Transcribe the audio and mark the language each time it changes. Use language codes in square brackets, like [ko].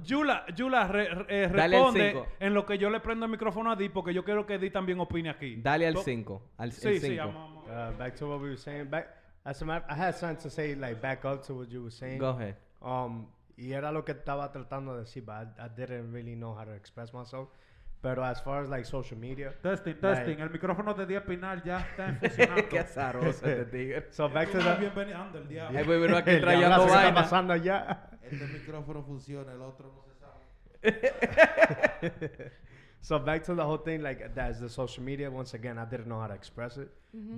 [es] Yula, responde en lo que yo le prendo el micrófono a Di, porque yo quiero que Di también opine aquí. Dale al 5. Sí, [en] back to what we were saying. I had something to say, like, back up to what you were saying. Go ahead. [es] Y era lo que estaba tratando de decir, [en] but I didn't really know how to express myself. Pero as far as, like, social media. Testing. [es] El micrófono de Díaz Pinal ya está funcionando. Qué azaroso este tigre. [en] So, back to that. [es] Bienvenido al diablo. Hey, pero aquí trayendo vaina. ¿Qué está pasando allá? Este micrófono funciona, el otro no se sabe. [en] So, back to the whole thing, like, that's the social media. Once again, I didn't know how to express it. Mm-hmm.